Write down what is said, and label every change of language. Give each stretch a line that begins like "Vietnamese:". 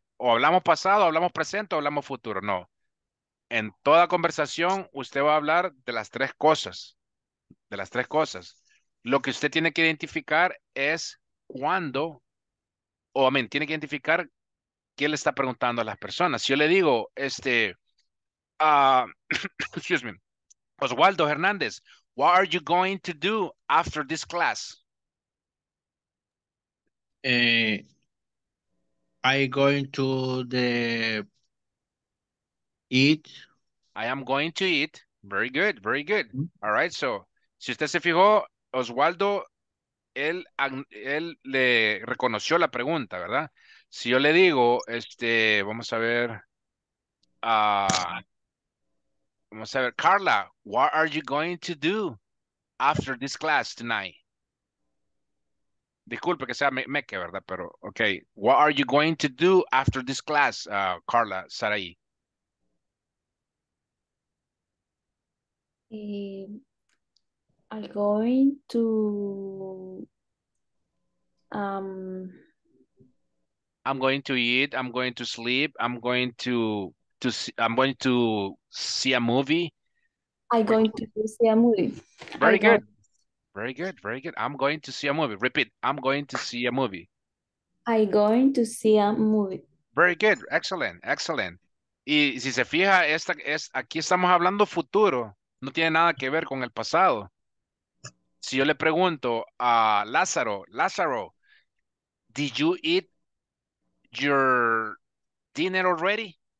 Spanish: O hablamos pasado, o hablamos presente, o hablamos futuro. No. En toda conversación, usted va a hablar de las tres cosas. De las tres cosas. Lo que usted tiene que identificar es cuándo, o amén, tiene que identificar qué le está preguntando a las personas. Si yo le digo,
English: excuse me, Oswaldo Hernández, what are you going to do after this class? I going to the eat. I am going to eat. Very good, very good. Mm-hmm. All right, so,
Spanish: si usted se fijó, Oswaldo, él le reconoció la pregunta, ¿verdad? Si yo le digo, vamos a ver,
English: Carla, what are you going to do after this class tonight?
Spanish: Disculpe que sea meque, ¿verdad? Pero,
English: okay. What are you going to do after this class, Carla, Sarai? I'm going to I'm going to eat, I'm going to sleep, I'm going to see, I'm going to see a movie. I'm going to see a movie. Very good. Very good, very good. I'm going to see a movie. Repeat. I'm going to see a movie. I'm going to see a movie. Very good. Excellent. Excellent.
Spanish: Y si se fija, aquí estamos hablando futuro. No tiene nada que ver con el pasado. Si yo le pregunto a
English: Lázaro, did you eat your dinner already?